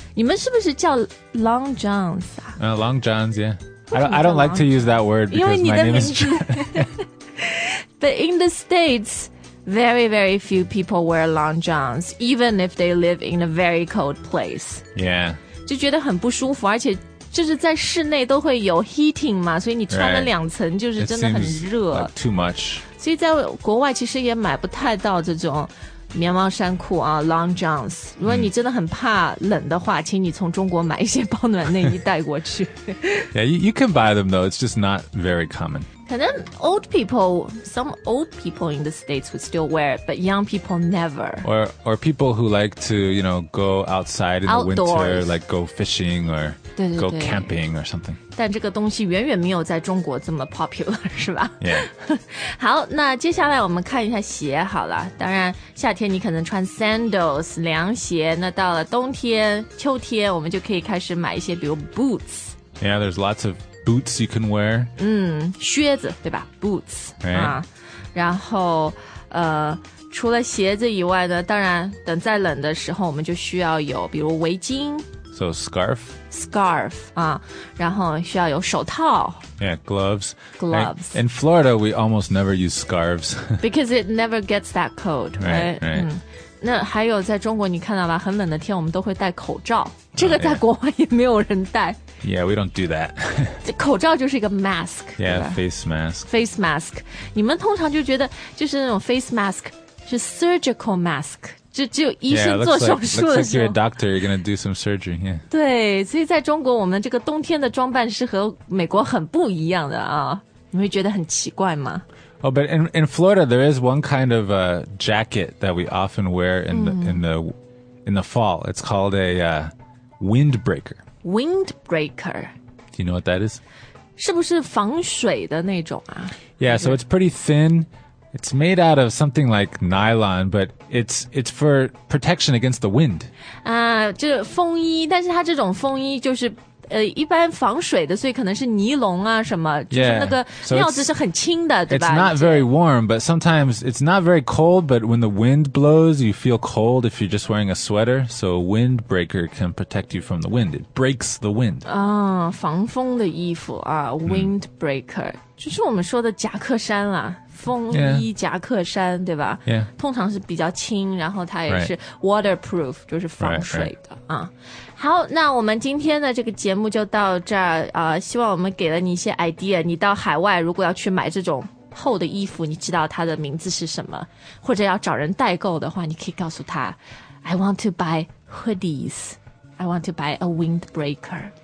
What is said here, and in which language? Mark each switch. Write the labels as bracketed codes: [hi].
[zh] 你们是不是叫 long johns 啊、 [en] long johns, yeah. I don't like to use that word because [zh] 因为你的 [en] 名字 my name is But in the States,very, very few people wear long johns, even if they live in a very cold place. Yeah. [zh] 就觉得很不舒服，而且就是在室内都会有 heating 嘛，所以你穿了两层就是真的很热。 [en] Right. It seems like too much. [zh] 所以在国外其实也买不太到这种棉毛衫裤啊 ，long johns。如果你真的很怕冷的话，请你从中国买一些保暖内衣带过去。 [en] Yeah, you can buy them though. It's just not very common. 可能 old people, some old people in the States would still wear it, but young people never. Or people who like to, you know, go outside in the winter, like go fishing or go camping or something. [zh] 但这个东西远远没有在中国这么 popular, 是吧 [en] ？Yeah. [zh] 好，那接下来我们看一下鞋好了。当然，夏天你可能穿 sandals 凉鞋，那到了冬天、秋天，我们就可以开始买一些，比如 boots. [en] Yeah, there's lots of boots you can wear. [zh] 嗯，靴子对吧 ？Boots、 [en] right. [zh] 啊，然后除了鞋子以外呢，当然等再冷的时候，我们就需要有比如围巾。 [en] So scarf. [zh] Scarf, 啊，然后需要有手套。 [en] Yeah, gloves. Gloves. In Florida, we almost never use scarves. Because it never gets that cold, right? Right, [zh] right.、嗯、那还有在中国你看到吧，很冷的天我们都会戴口罩。这个在国外也没有人戴。 [en] Yeah, we don't do that. [zh] 口罩就是一个 mask. [en] Yeah, face mask. Face mask. [zh] 你们通常就觉得就是那种 face mask, 是 surgical mask. 就只有医生做手术的时候。 [en] Yeah, looks like you're a doctor, you're going to do some surgery, yeah. [zh] 对，所以在中国我们这个冬天的装扮是和美国很不一样的啊。你会觉得很奇怪吗？ [en] Oh, but in Florida, there is one kind of jacket that we often wear in the fall. It's called a windbreaker. Windbreaker. Do you know what that is? [zh] 是不是防水的那种啊？ [en] Yeah, so it's pretty thin. It's made out of something like nylon, but it's for protection against the wind. [zh] 啊，这风衣，但是它这种风衣就是一般防水的，所以可能是尼龙啊什么，就是那个料子是很轻的，对吧？ [en] It's not very warm, but sometimes it's not very cold, but when the wind blows, you feel cold if you're just wearing a sweater. So a windbreaker can protect you from the wind. It breaks the wind. [zh] 啊，防风的衣服啊 ，windbreaker，就是我们说的夹克衫啦。风衣夹克衫、 [en] yeah. [zh] 对吧、 [en] yeah. [zh] 通常是比较轻然后它也是 waterproof、 [en] right. [zh] 就是防水的 [en] right, right. 啊。 [zh] 好那我们今天的这个节目就到这儿、希望我们给了你一些 idea 你到海外如果要去买这种厚的衣服你知道它的名字是什么或者要找人代购的话你可以告诉他 [en] I want to buy hoodies I want to buy a windbreaker